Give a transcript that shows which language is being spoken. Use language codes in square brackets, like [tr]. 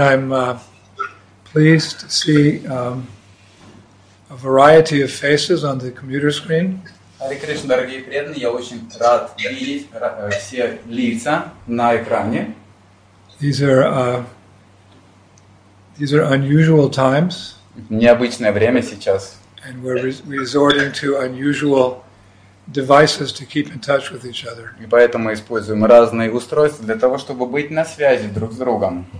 [en] I'm pleased to see a variety of faces on the computer screen. [ru] Hare Krishna, дорогие преданные, я очень рад видеть все лица на экране. [en] These are unusual times. [ru] Необычное время сейчас. [en] And we're resorting to unusual devices to keep in touch with each other. [ru] И поэтому используем разные устройства для того, чтобы быть на связи друг с другом.